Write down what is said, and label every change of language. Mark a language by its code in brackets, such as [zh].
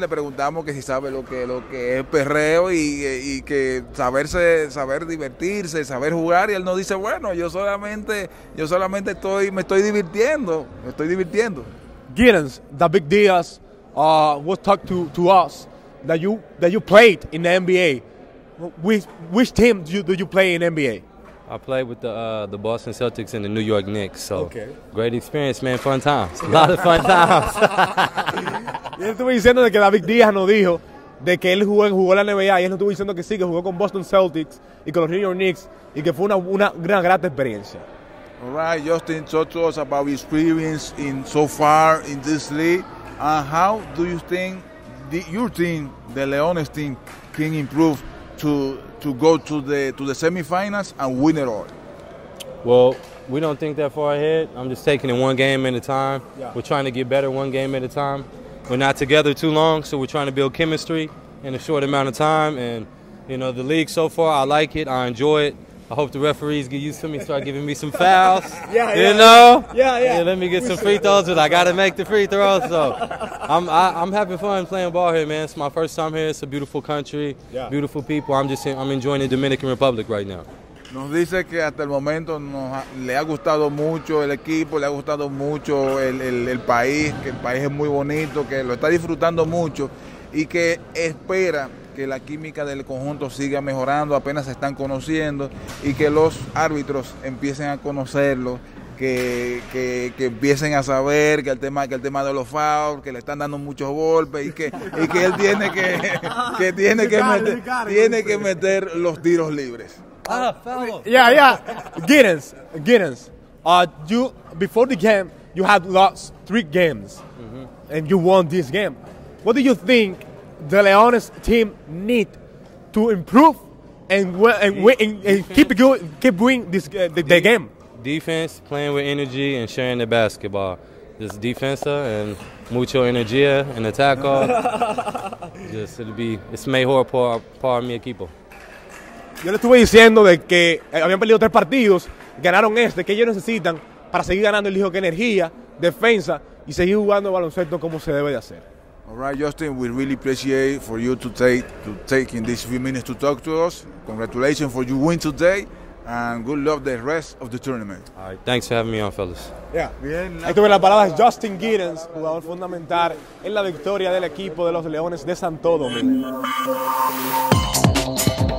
[es] le preguntamos que si sabe lo que es perreo y que saber divertirse, saber jugar, y él nos dice, bueno, yo solamente estoy, me estoy divirtiendo. [en] Giddens, the big Diaz, was talked to us that you played in the NBA. Which team do you play in NBA? I played with the Boston Celtics and the New York Knicks. So okay. Great experience, man. Fun times. A lot of fun times. [es] Y él estuvo diciendo que David Díaz nos dijo de que él jugó la NBA, y él estuvo diciendo que sí, que jugó con Boston Celtics y con los New York Knicks, y que fue una gran grata experiencia. [en] All right, Justin, talk to us about your experience in so far in this league. And how do you think your team, the Leones team, can improve to go to the semifinals and win it all? Well, we don't think that far ahead. I'm just taking it one game at a time. Yeah. We're trying to get better one game at a time. We're not together too long, so we're trying to build chemistry in a short amount of time. And, you know, the league so far, I like it. I enjoy it. I hope the referees get used to me, start giving me some fouls. Yeah, yeah. You know? Yeah, yeah. Let me get some free throws, but I got to make the free throws. So I'm having fun playing ball here, man. It's my first time here. It's a beautiful country, yeah. Beautiful people. I'm enjoying the Dominican Republic right now. [es] Nos dice que hasta el momento le ha gustado mucho el equipo, le ha gustado mucho el país, que el país es muy bonito, que lo está disfrutando mucho y que espera que la química del conjunto siga mejorando, apenas se están conociendo, y que los árbitros empiecen a conocerlo, que empiecen a saber que el tema de los fouls, que le están dando muchos golpes y que él tiene que meter los tiros libres. [en] Yeah. Giddens, you before the game you had lost 3 games, mm-hmm. And you won this game. What do you think the Leones team need to improve and keep going the game? Defense, playing with energy and sharing the basketball. Just [es] defensa and mucho energía and ataco. [en] Just it's [es] mejor para mi equipo. Yo le estuve diciendo de que habían perdido 3 partidos, ganaron este, que ellos necesitan para seguir ganando, el hijo, que energía, defensa y seguir jugando baloncesto como se debe de hacer. [en] All right, Justin, we really appreciate for you to taking these few minutes to talk to us. Congratulations for your win today and good luck the rest of the tournament. All right, thanks for having me on, fellas. [es] Yeah, bien. Ahí tuve las palabras Justin Giddens, jugador fundamental en la victoria del equipo de los Leones de Santo Domingo.